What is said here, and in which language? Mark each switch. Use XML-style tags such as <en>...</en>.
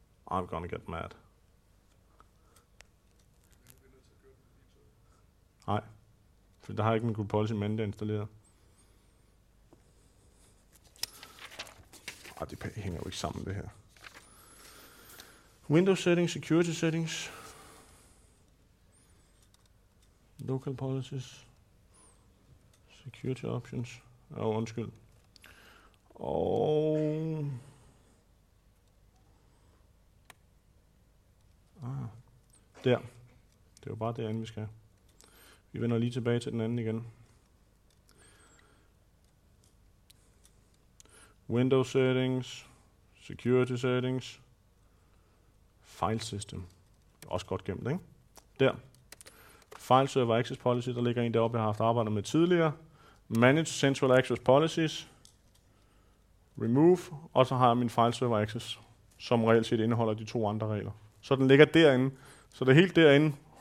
<en>I'm gonna get mad.</en> <da>Nej. For der har jeg ikke min Group Policy Manager installeret. Ej, det hænger jo ikke sammen, det her.</da> <en>Windows settings, security settings. Local policies. Security options.</en> <da>Åh, undskyld. Og... der. Det er jo bare derinde, vi skal. Vi vender lige tilbage til den anden igen.</da> <en>Windows settings, security settings, file system.</en> <da>Det er også godt gemt, ikke? Der. File server access policy, der ligger en deroppe, jeg har haft arbejdet med tidligere.</da> <en>Manage central access policies. Remove.</en> <da>Og så har jeg min file server access, som reelt set indeholder de to andre regler. Så den ligger derinde. Så det er helt derinde.</da>